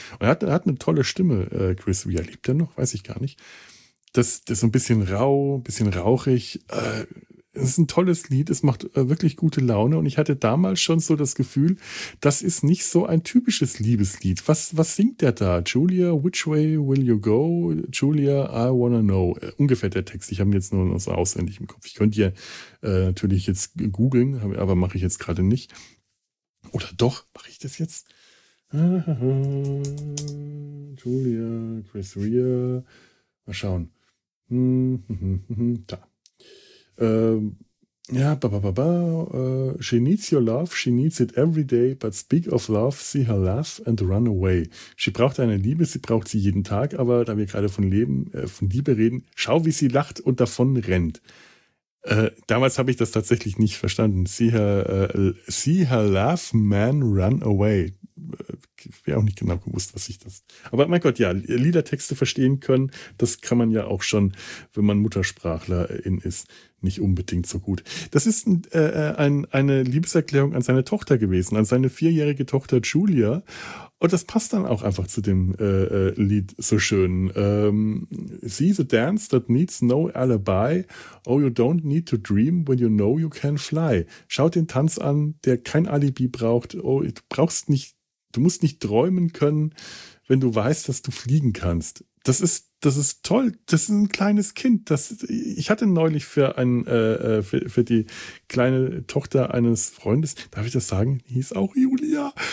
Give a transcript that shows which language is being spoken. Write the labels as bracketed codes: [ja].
[de] Und er hat eine tolle Stimme, Chris. Wie erlebt er noch? Weiß ich gar nicht. Das ist ein bisschen rau, ein bisschen rauchig. Es ist ein tolles Lied, es macht wirklich gute Laune und ich hatte damals schon so das Gefühl, das ist nicht so ein typisches Liebeslied. Was singt der da? [en] Julia, which way will you go? Julia, I wanna know. [de] Ungefähr der Text, ich habe ihn jetzt nur noch so auswendig im Kopf. Ich könnte ja natürlich jetzt googeln, aber mache ich jetzt gerade nicht. Oder doch, mache ich das jetzt? Julia, Chris Rea, mal schauen. Da. [en] She needs your love, she needs it every day, but speak of love, see her laugh and run away. [de] Sie braucht eine Liebe, sie braucht sie jeden Tag, aber da wir gerade von Liebe reden, schau, wie sie lacht und davon rennt. Damals habe ich das tatsächlich nicht verstanden. [en] See her laugh, man, run away. [de] Wäre auch nicht genau gewusst, was ich das... Aber mein Gott, ja, Liedertexte verstehen können, das kann man ja auch schon, wenn man Muttersprachlerin ist, nicht unbedingt so gut. Das ist eine Liebeserklärung an seine Tochter gewesen, an seine vierjährige Tochter Julia. Und das passt dann auch einfach zu dem Lied so schön. [en] See the dance that needs no alibi. Oh, you don't need to dream when you know you can fly. [de] Schau den Tanz an, der kein Alibi braucht. Oh, du brauchst nicht Du musst nicht träumen können, wenn du weißt, dass du fliegen kannst. Das ist toll. Das ist ein kleines Kind. Ich hatte neulich für die kleine Tochter eines Freundes, darf ich das sagen, die hieß auch Julia.